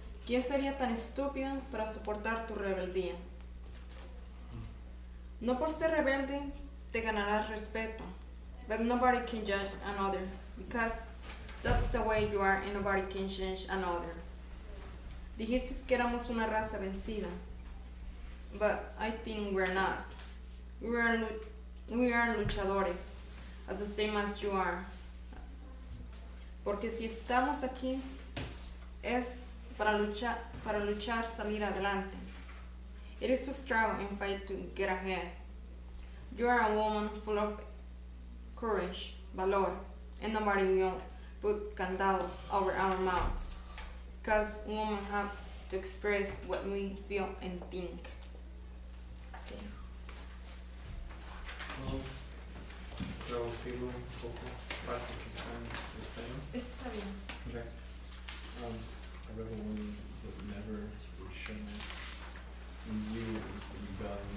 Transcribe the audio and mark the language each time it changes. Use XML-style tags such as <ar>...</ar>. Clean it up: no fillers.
<es>¿Quién sería tan estúpida para soportar tu rebeldía? No por ser rebelde te ganarás respeto.</es> <en>But nobody can judge another because that's the way you are and nobody can change another.</en> <es>Dijiste que éramos una raza vencida.</es> <en>But I think we're not. We are luchadores as the same as you are.</en> <es>Porque si estamos aquí, es para luchar, salir adelante.</es> <en>It is to struggle and fight to get ahead. You are a woman full of courage, valor, and nobody will put candados over our mouths. Because women have to express what we feel and think. Okay. Well,</en> <es>traducirlo un poco, parte que está en español. Está bien.</es> <en>Okay. I read the one that never was shown in years is the rebellion.</en>